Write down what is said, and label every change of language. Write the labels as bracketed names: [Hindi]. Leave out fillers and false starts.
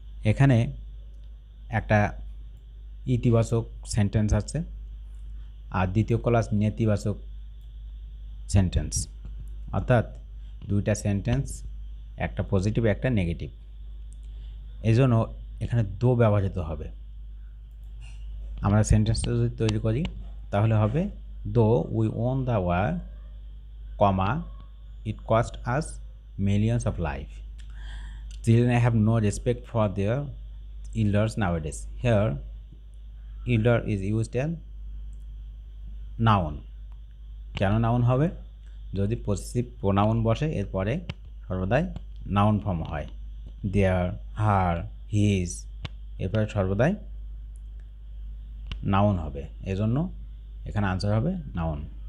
[Bangla] এখানে একটা ইতিবাচক সেন্টেন্স আছে আর দ্বিতীয় ক্লাস নেতিবাচক সেন্টেন্স, অর্থাৎ দুইটা সেন্টেন্স, একটা পজিটিভ একটা নেগেটিভ, এই জন্য এখানে দো ব্যবহৃত হবে। আমরা সেন্টেন্সটা যদি তৈরি করি তাহলে হবে [English] Though we won the war comma it cost us millions of life. Children have no respect for their elders nowadays. Here, elder is used as noun. [Bangla] কেন নাউন হবে? যদি পসেসিভ প্রোনাউন বসে এরপরে সর্বদাই নাউন ফর্ম হয়। দেয়ার, হার, his এরপরে সর্বদাই noun হবে, এজন্য এখানে আনসার হবে নাউন।